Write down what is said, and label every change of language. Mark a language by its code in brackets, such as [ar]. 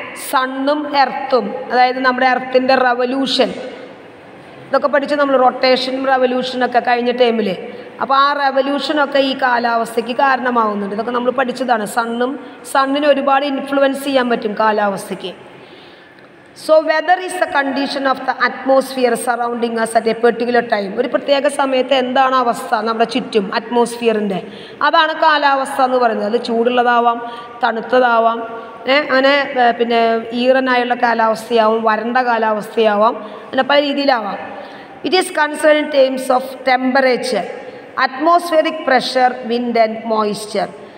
[ml] സണ്ണും എർത്തും, അതായത് നമ്മുടെ എർത്തിൻ്റെ റവല്യൂഷൻ, ഇതൊക്കെ പഠിച്ചു നമ്മൾ റൊട്ടേഷനും റവല്യൂഷനൊക്കെ കഴിഞ്ഞ ടൈമിൽ. അപ്പോൾ ആ റവല്യൂഷനൊക്കെ ഈ കാലാവസ്ഥയ്ക്ക് കാരണമാകുന്നുണ്ട്. ഇതൊക്കെ നമ്മൾ പഠിച്ചതാണ്. സണ്ണും, സണ്ണിന് ഒരുപാട് ഇൻഫ്ലുവൻസ് ചെയ്യാൻ പറ്റും കാലാവസ്ഥയ്ക്ക്. [en] So weather is the condition of the atmosphere surrounding us at a particular time. [ml] ഒരു പ്രത്യേക സമയത്ത് എന്താണ് അവസ്ഥ നമ്മുടെ ചുറ്റും അറ്റ്മോസ്ഫിയറിൻ്റെ, അതാണ് കാലാവസ്ഥ എന്ന് പറയുന്നത്. അത് ചൂടുള്ളതാവാം, തണുത്തതാവാം, അങ്ങനെ പിന്നെ ഈറനായുള്ള കാലാവസ്ഥയാവും, വരണ്ട കാലാവസ്ഥയാവാം, അങ്ങനെ പല രീതിയിലാവാം. [en] It is concern in terms of temperature, atmospheric pressure, wind and moisture.